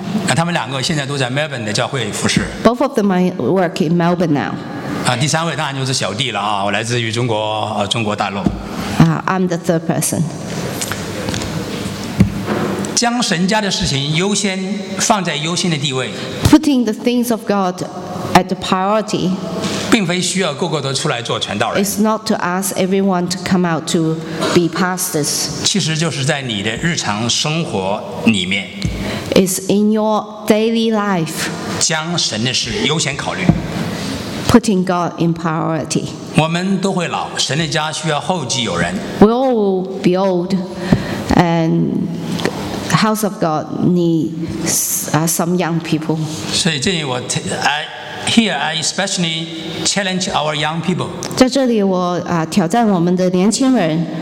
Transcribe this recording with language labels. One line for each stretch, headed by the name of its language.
Chinese: 那他们两个现在都在 Melbourne 的教会服侍。
English: Both of them work in Melbourne now.
Chinese: 第三位当然就是小弟了我来自于中国大陆。
English: I'm the third person.
Chinese: 将神家的事情优先放在优先的地位。
English: Putting the things of God at the priority.
Chinese: 并非需要个个都出来做传道人。
English: It's not to ask everyone to come out to be pastors.
Chinese: 其实就是在你的日常生活里面。
English: Is in your daily life.
Chinese: 将神的事优先考虑。
English: Putting God in priority.
Chinese: 我们都会老，神的家需要后继有人。
English: We all will be old, and house of God needs some young people.
Chinese: 所以这里我
English: here I especially challenge our young people.
Chinese: 在这里我挑战我们的年轻人。